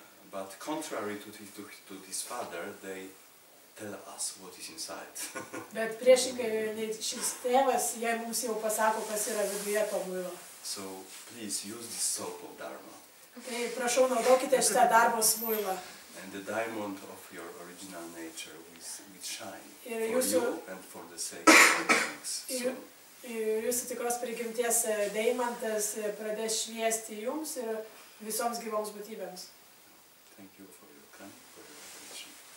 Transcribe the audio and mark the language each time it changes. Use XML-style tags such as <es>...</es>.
<en>But contrary to this father, they tell us what is inside.</en> <lt>Bet priešingai šis tėvas, jie mums jau pasako, kas yra viduje to muilo.</lt> <en>So please use this soap of Dharma.</en> <lt>Okay, prašau, naudokite šitą darbos muilą.</lt> <en>And the diamond of your original nature will shine for you and for the sake of all beings.</en> <lt>Jūsų tikros prigimties deimantas pradės šviesti jums ir visoms gyvoms būtybėms.</lt> <en>Thank you for your kind attention.</en>